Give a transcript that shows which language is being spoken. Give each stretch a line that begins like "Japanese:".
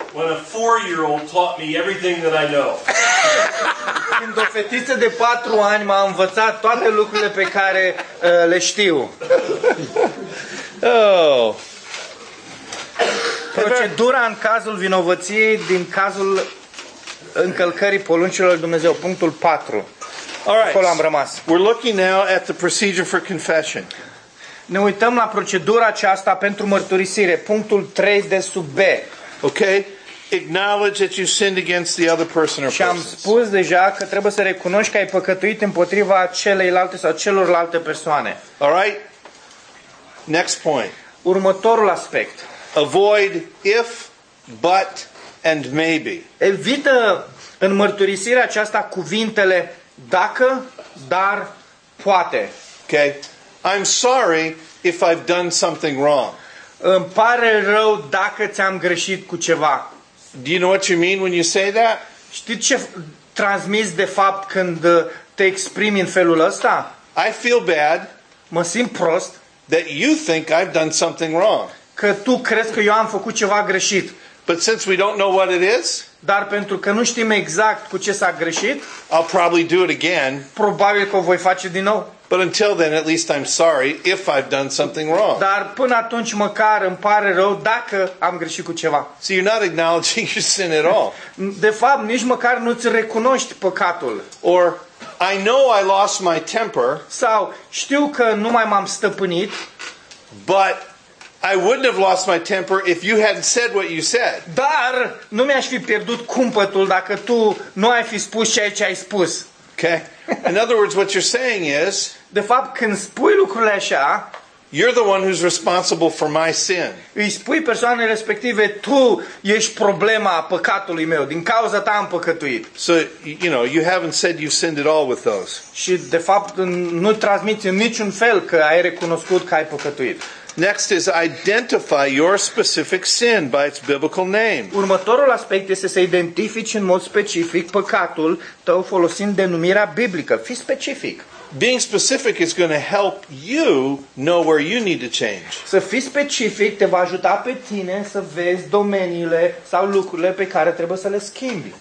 English: When a four-year-old taught me everything that I know.
Romanian: Când o fetiță de 4 ani m-a învățat toate lucrurile pe care le știu. Oh. Procedura în cazul vinovăției din cazul încălcării poruncilor lui Dumnezeu, punctul 4.
English: All right.
Romanian: Acolo am rămas.
English: We're looking now at the procedure for confession.
Romanian: Ne uităm la procedura aceasta pentru mărturisire, punctul 3 de sub B.
English: Okay? Acknowledge that you sinned against the other person or persons.
Romanian: Și am spus deja că trebuie să recunoști că ai păcătuit împotriva celeilalte sau celorlalte persoane.
English: All right? Next point.
Romanian: Următorul aspect.
English: Avoid if, but and maybe.
Romanian: Evită în mărturisirea aceasta cuvintele dacă, dar, poate.
English: Okay. I'm sorry if I've done something wrong.
Romanian: Îmi pare rău dacă ți-am greșit cu ceva.
English: Do you know what you mean when you say that?
Romanian: Știi ce transmiți de fapt când te exprimi în felul ăsta?
English: I feel bad.
Romanian: Mă simt prost.
English: That you think I've done something wrong.
Romanian: Că tu crezi că eu am făcut ceva greșit.
English: But since we don't know what it is,
Romanian: dar pentru că nu știm exact cu ce s-a greșit,
English: I'll probably do it again.
Romanian: Probabil că o voi face din nou.
English: But until then, at least I'm sorry if I've done something wrong.
Romanian: Dar până atunci măcar îmi pare rău dacă am greșit cu ceva.
English: So you're not acknowledging your sin at all.
Romanian: De fapt, nici măcar nu ți recunoști păcatul.
English: Or I know I lost my temper.
Romanian: Sau știu că nu mai m-am stăpânit.
English: But I wouldn't have lost my temper if you hadn't said what you said.
Romanian: Dar nu mi-aș fi pierdut cumpătul dacă tu nu ai fi spus ceea ce ai spus.
English: Okay. In other words, what you're saying is,
Romanian: de fapt, când spui lucrurile așa,
English: you're the one who's responsible for my sin.
Romanian: Îi spui persoanei respective, tu ești problema păcatului meu, din cauza ta am păcătuit.
English: So, you know, you haven't said you've sinned at all with those.
Romanian: Și de fapt nu transmiți în niciun fel că ai recunoscut că ai păcătuit.
English: Next is identify your specific sin by its biblical name.
Romanian: Următorul aspect este să identifici în mod specific păcatul tău folosind denumirea biblică. Fii specific.
English: Being specific is going to help you know where you need to change.
Romanian: Să fii specific te va ajuta pe tine să vezi domeniile sau lucrurile pe care trebuie să le schimbi.